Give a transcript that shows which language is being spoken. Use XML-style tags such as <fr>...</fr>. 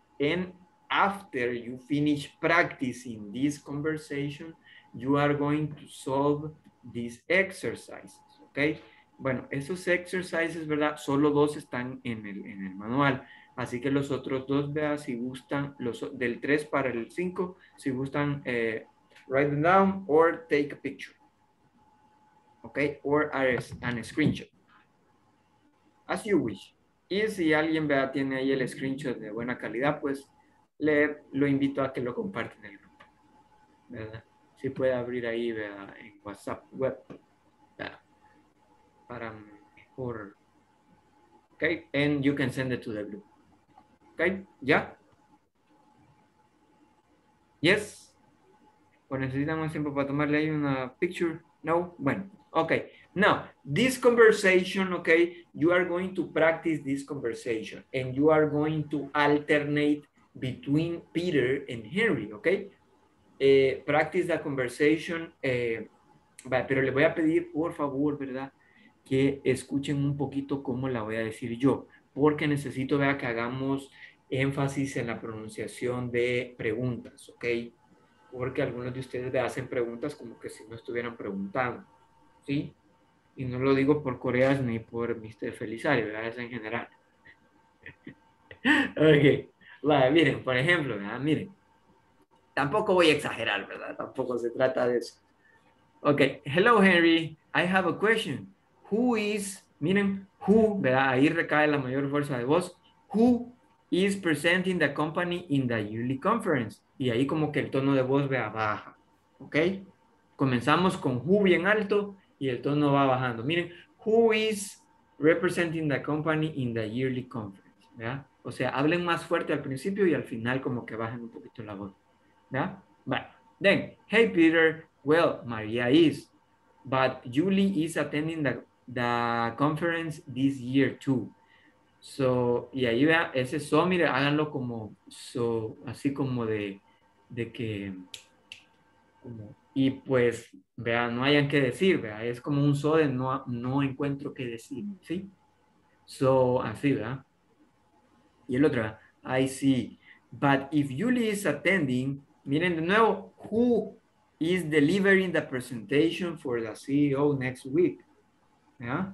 <en>And after you finish practicing this conversation, you are going to solve these exercises, okay?</en> <es>Bueno, esos exercises, ¿verdad? Solo dos están en el manual. Así que los otros dos, vea, si gustan, los del 3 para el 5, si gustan,</es> <en>write them down or take a picture. Okay, or as an screenshot. As you wish.</en> <es>Y si alguien, vea, tiene ahí el screenshot de buena calidad, pues le lo invito a que lo comparte en el grupo. ¿Verdad? Si puede abrir ahí, vea, en WhatsApp web. ¿Verdad? Para mejor.</es> <en>Okay, and you can send it to the group.</en> <es>Okay, ¿ya?</es> <en>Yes.</en> <es>¿O necesitamos tiempo para tomarle ahí una picture? No, bueno.</es> <en>Okay, now, this conversation, okay, you are going to practice this conversation and you are going to alternate between Peter and Henry, okay? Practice the conversation,</en> <es>pero le voy a pedir, por favor, ¿verdad?, que escuchen un poquito cómo la voy a decir yo, porque necesito, vea, que hagamos énfasis en la pronunciación de preguntas, okay? Porque algunos de ustedes le hacen preguntas como que si no estuvieran preguntando. ¿Sí? Y no lo digo por Coreas ni por Mr. Felizario, ¿verdad? Es en general. Ok. Vale, miren, por ejemplo, ¿verdad? Miren. Tampoco voy a exagerar, ¿verdad? Tampoco se trata de eso.</es> <en>Ok. Hello, Henry. I have a question. Who is,</en> <es>miren, who, ¿verdad? Ahí recae la mayor fuerza de voz.</es> <en>Who is presenting the company in the yearly conference?</en> <es>Y ahí como que el tono de voz, ¿verdad? Baja. Ok. Comenzamos con who bien alto y el tono va bajando.</es> <en>Miren, who is representing the company in the yearly conference, ¿verdad?</en> <es>O sea, hablen más fuerte al principio y al final como que bajen un poquito la voz, ¿verdad?</es> <en>Bueno, then, hey Peter, well, Maria is, but Julie is attending the conference this year too.</en> <es>So, y ahí vea, ese so, mire, háganlo como so, así como de que, como... Y pues, vea, no hayan que decir, vea, es como un so de no, no encuentro qué decir, ¿sí?</es> <en>So,</en> <es>así, ¿verdad? Y el otro,</es> <en>I see, but if Julie is attending,</en> <es>miren de nuevo,</es> <en>who is delivering the presentation for the CEO next week? ¿Vea?</en>